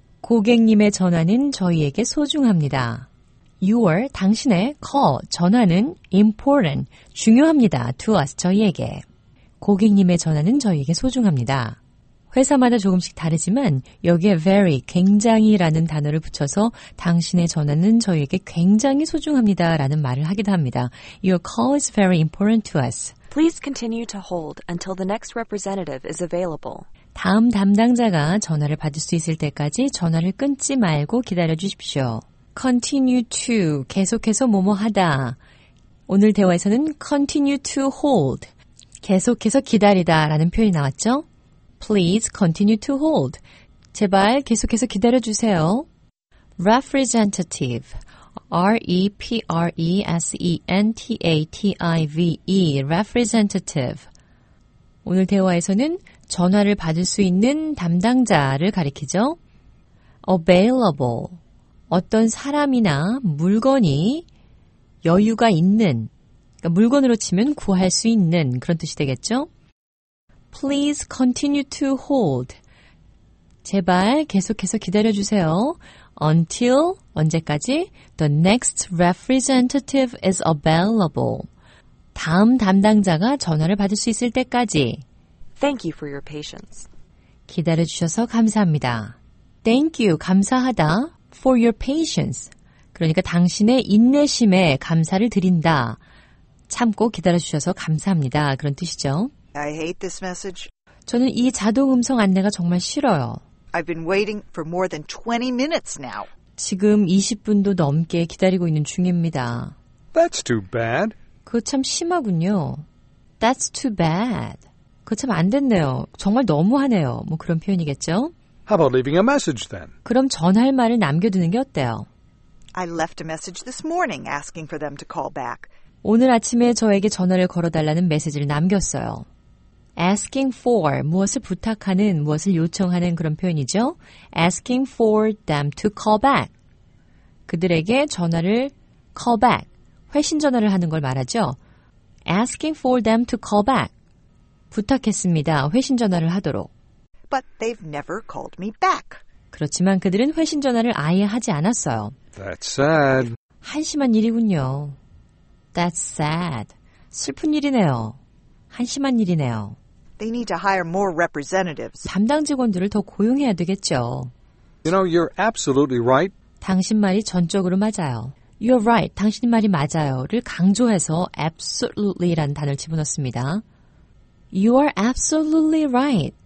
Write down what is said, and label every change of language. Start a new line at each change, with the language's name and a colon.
Korean: 고객님의 전화는 저희에게 소중합니다.
English: Your,
Korean: 당신의
English: call,
Korean: 전화는
English: important,
Korean: 중요합니다.
English: To us,
Korean: 저희에게. 고객님의 전화는 저희에게 소중합니다. 회사마다 조금씩 다르지만 여기에 very, 굉장히라는 단어를 붙여서 당신의 전화는 저희에게 굉장히 소중합니다라는 말을 하기도 합니다.
English: Your call is very important to us. Please continue to hold until the next representative is available.
Korean: 다음 담당자가 전화를 받을 수 있을 때까지 전화를 끊지 말고 기다려주십시오.
English: Continue to,
Korean: 계속해서 뭐뭐하다. 오늘 대화에서는
English: continue to hold,
Korean: 계속해서 기다리다 라는 표현이 나왔죠?
English: Please continue to hold.
Korean: 제발 계속해서 기다려주세요.
English: Representative, R-E-P-R-E-S-E-N-T-A-T-I-V-E, representative.
Korean: 오늘 대화에서는 전화를 받을 수 있는 담당자를 가리키죠? Available, 어떤 사람이나 물건이 여유가 있는, 그러니까 물건으로 치면 구할 수 있는 그런 뜻이 되겠죠?
English: Please continue to hold.
Korean: 제발 계속해서 기다려주세요.
English: Until,
Korean: 언제까지?
English: The next representative is available.
Korean: 다음 담당자가 전화를 받을 수 있을 때까지.
English: Thank you for your patience.
Korean: 기다려주셔서 감사합니다.
English: Thank you,
Korean: 감사하다.
English: For your patience.
Korean: 그러니까 당신의 인내심에 감사를 드린다. 참고 기다려주셔서 감사합니다. 그런 뜻이죠.
English: I hate this message.
Korean: 저는 이 자동 음성 안내가 정말 싫어요.
English: I've been waiting for more than 20 minutes now.
Korean: 지금 20분도 넘게 기다리고 있는 중입니다.
English: That's too bad.
Korean: 그거 참 심하군요.
English: That's too bad.
Korean: 그거 참 안 됐네요. 정말 너무하네요. 뭐 그런 표현이겠죠?
English: How about leaving a message then?
Korean: 그럼 전할 말을 남겨두는 게 어때요?
English: I left a message this morning asking for them to call back.
Korean: 오늘 아침에 저에게 전화를 걸어달라는 메시지를 남겼어요.
English: Asking for,
Korean: 무엇을 부탁하는, 무엇을 요청하는 그런 표현이죠.
English: Asking for them to call back.
Korean: 그들에게 전화를
English: call back,
Korean: 회신 전화를 하는 걸 말하죠.
English: Asking for them to call back.
Korean: 부탁했습니다. 회신 전화를 하도록.
English: But they've never called me back.
Korean: 그렇지만 그들은 회신 전화를 아예 하지 않았어요.
English: That's sad.
Korean: 한심한 일이군요.
English: That's sad.
Korean: 슬픈 일이네요. 한심한 일이네요.
English: They need to hire more representatives.
Korean: 담당 직원들을 더 고용해야 되겠죠.
English: You know, you're absolutely right.
Korean: 당신 말이 전적으로 맞아요.
English: You're right.
Korean: 당신 말이 맞아요.를 강조해서 absolutely라는 단어를 집어넣습니다.
English: You are absolutely right.